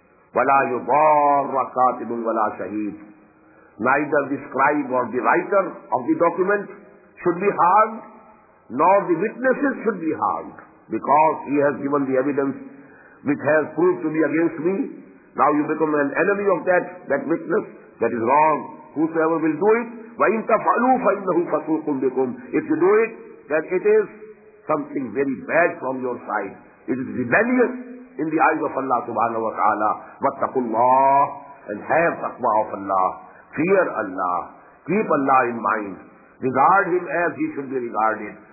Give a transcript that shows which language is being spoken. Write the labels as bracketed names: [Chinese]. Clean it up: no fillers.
[Arabic] Wala yubarra katibun wala shaheed. [English] Neither the scribe or the writer of the document should be harmed, nor the witnesses should be harmed, because he has given the evidence which has proved to be against me. Now you become an enemy of that witness. That is wrong. Whosoever will do it, [Arabic] وَإِن تَفْعَلُوا فَإِنَّهُ فَسُوقٌ بِكُمْ. [English] If you do it, then it is something very bad from your side. It is rebellious in the eyes of Allah subhanahu wa ta'ala. [Arabic] وَاتَّقُوا اللَّهِ [English] and have taqwa of Allah. Fear Allah. Keep Allah in mind. Regard Him as He should be regarded.